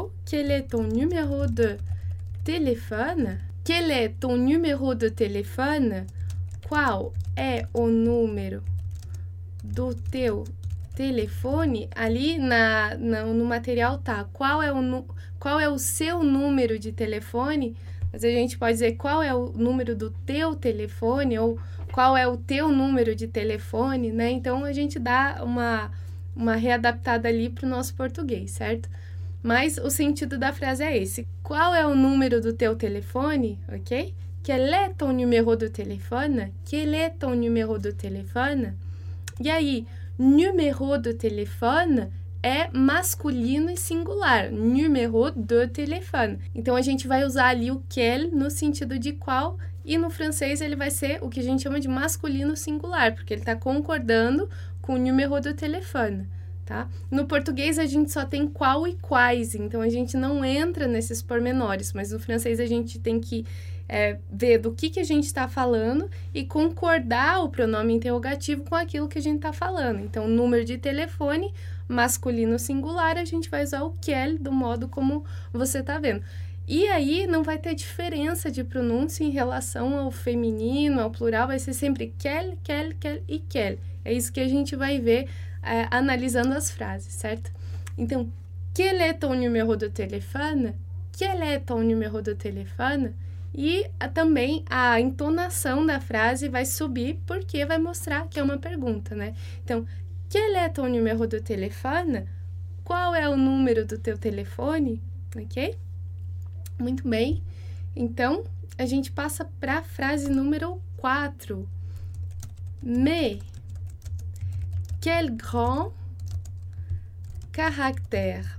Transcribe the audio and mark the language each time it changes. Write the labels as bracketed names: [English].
[French] Quel est ton numéro de téléphone? Quel est ton numéro de téléphone? [Portuguese] Qual é o número do teu telefone? Ali no material tá. Qual é o seu número de telefone? Mas a gente pode dizer qual é o número do teu telefone ou qual é o teu número de telefone, né? Então a gente dá uma readaptada ali para o nosso português, certo? Mas o sentido da frase é esse. Qual é o número do teu telefone, ok? [French] Quel est ton numéro de téléphone? Quel est ton numéro de téléphone? [Portuguese] E aí, numéro de téléphone é masculino e singular. Numéro de téléphone. Então, a gente vai usar ali o quel no sentido de qual. E no francês, ele vai ser o que a gente chama de masculino singular, porque ele está concordando com o numéro de téléphone. Tá? No português a gente só tem qual e quais, então a gente não entra nesses pormenores, mas no francês a gente tem que ver do que a gente está falando e concordar o pronome interrogativo com aquilo que a gente está falando. Então, número de telefone masculino singular, a gente vai usar o quel do modo como você está vendo. E aí não vai ter diferença de pronúncia em relação ao feminino, ao plural, vai ser sempre quel, quel, quel e quel. É isso que a gente vai ver. Analisando as frases, certo? [French] Então, quel est ton numéro de téléphone? Quel est ton numéro de téléphone? [Portuguese] E também a entonação da frase vai subir porque vai mostrar que é uma pergunta, né? [French] Então, quel est ton numéro de téléphone? [Portuguese] Qual é o número do teu telefone? Ok? Muito bem. Então, a gente passa para a frase número 4. [French] Quel grand caractère!